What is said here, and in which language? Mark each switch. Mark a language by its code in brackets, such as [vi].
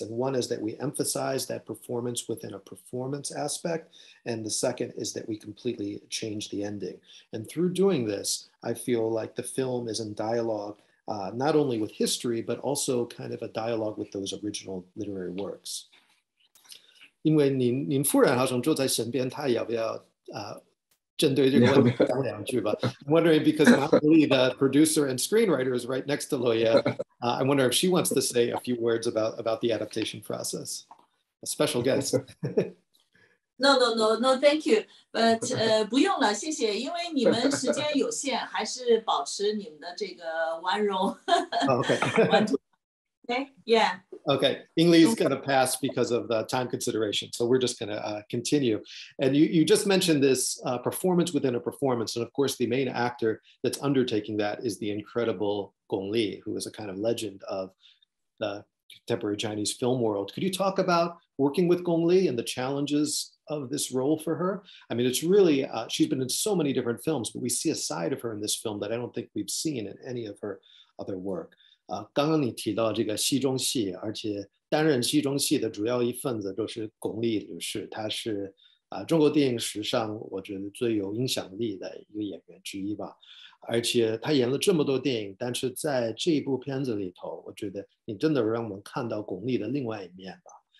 [en] And one is that we emphasize that performance within a performance aspect. And the second is that we completely change the ending. And through doing this, I feel like the film is in dialogue, not only with history, but also kind of a dialogue with those original literary works. [zh] 因为您夫人好像坐在身边，她要不要针对这个问题讲两句吧？ [en] I'm wondering because Gong Li, the producer and screenwriter, is right next to Loya. I wonder if she wants to say a few words about the adaptation process. A special guest. No, thank you. But [zh] 不用了，谢谢。因为你们时间有限，还是保持你们的这个温柔。 [en] Okay. Okay, Gong Li is going to pass because of the time consideration. So we're just going to continue. And you just mentioned this performance within a performance. And of course, the main actor that's undertaking that is the incredible Gong Li, who is a kind of legend of the contemporary Chinese film world. Could you talk about working with Gong Li and the challenges of this role for her? I mean, it's really, she's been in so many different films, but we see a side of her in this film that I don't think we've seen in any of her other work. [zh] 刚刚你提到这个戏中戏，而且担任戏中戏的主要一份子就是巩俐女士，她是中国电影史上我觉得最有影响力的一个演员之一吧。而且她演了这么多电影，但是在这一部片子里头，我觉得你真的让我们看到巩俐的另外一面吧。